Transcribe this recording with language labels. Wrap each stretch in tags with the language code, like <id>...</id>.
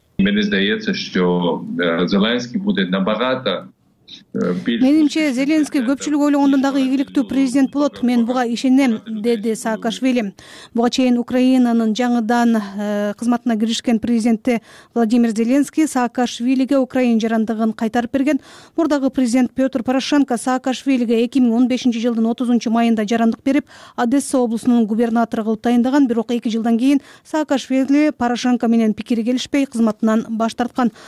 <ru>Мне кажется, что Зеленский будет набагато.</ru> <ky>Менимче Зеленский көпчүлүк ойлогондон дагы ийгиликтүү президент болот. Мен буга ишенем, деди Саакашвили. Буга чейин Украинанын жаңыдан кызматына киришкен президенти Владимир Зеленский Саакашвилиге Украин жарандыгын кайтарып берген. Мурдагы президент Петр Порошенко Саакашвилиге 2015 жылдын 30 майында жарандык берип, Одесса облусунун губернатору кылып тайындаган, бирок 2 жылдан кийин Саакашвили Порошенко менен пикири келишпей, кызматынан баш тарткан.</ky>